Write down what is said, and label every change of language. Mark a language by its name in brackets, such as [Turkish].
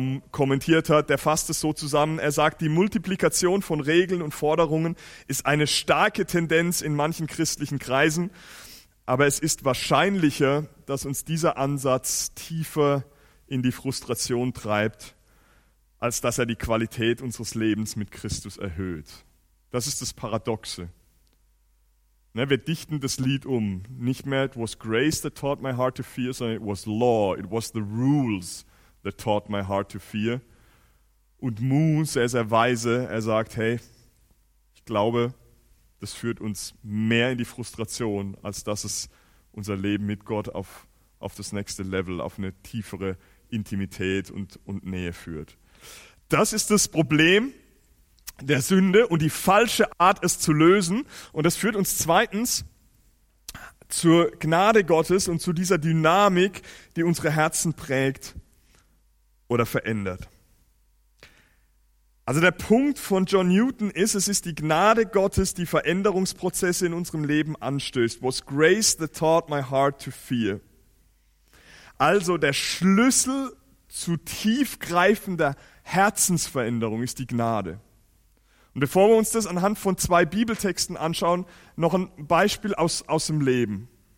[German] kommentiert hat, der fasst es so zusammen. Er sagt, die Multiplikation von Regeln und Forderungen ist eine starke Tendenz in manchen christlichen Kreisen, aber es ist wahrscheinlicher, dass uns dieser Ansatz tiefer in die Frustration treibt, als dass er die Qualität unseres Lebens mit Christus erhöht. Das ist das Paradoxe. Wir dichten das Lied um. Nicht mehr, [English] it was grace that taught my heart to fear, [German] sondern [English] it was law, it was the rules that taught my heart to fear. [German] Und Mu, sehr, sehr weise, er sagt, hey, ich glaube, das führt uns mehr in die Frustration, als dass es unser Leben mit Gott auf das nächste Level, auf eine tiefere Intimität und Nähe führt. Das ist das Problem der Sünde und die falsche Art, es zu lösen. Und das führt uns zweitens zur Gnade Gottes und zu dieser Dynamik, die unsere Herzen prägt oder verändert. Also der Punkt von John Newton ist, es ist die Gnade Gottes, die Veränderungsprozesse in unserem Leben anstößt. [English] Was grace that taught my heart to fear. [German] Also der Schlüssel zu tiefgreifender Herzensveränderung ist die Gnade. Und bevor wir uns das anhand von zwei Bibeltexten anschauen, noch ein Beispiel aus dem Leben.